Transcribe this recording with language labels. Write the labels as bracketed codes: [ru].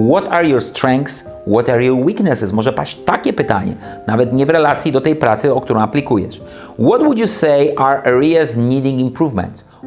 [en] What are your strengths? What are your weaknesses? [pl] Może paść takie pytanie, nawet nie w relacji do tej pracy, o którą aplikujesz. [en] What would you say are areas needing improvement?